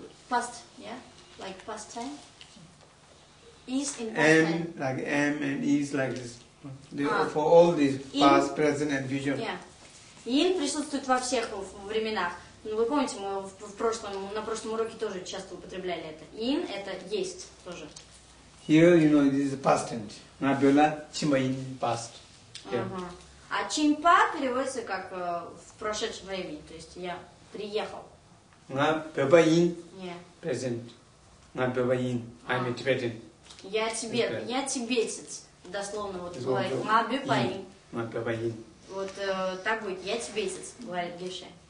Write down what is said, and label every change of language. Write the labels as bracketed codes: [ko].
[en] Past, yeah, like past time. Is in past M, like M and is like this. For all these past, present and future. Yeah. [ru] Ин присутствует во всех временах. Ну, вы помните, мы на прошлом уроке тоже часто употребляли это. Ин это есть тоже. [en] Here, you know, this is a past tense. [bo] Набюла чимаин past. [ru] А чимпа переводится как в прошедшем времени, то есть я приехал. [bo] Набюбаин present. [en] Набюбаин, I'm a Tibetan. [ru] Я тебе, я тибетец, дословно вот говорит мабипаин. Мабипаин. Вот так будет, я тибетец, говорит Геше.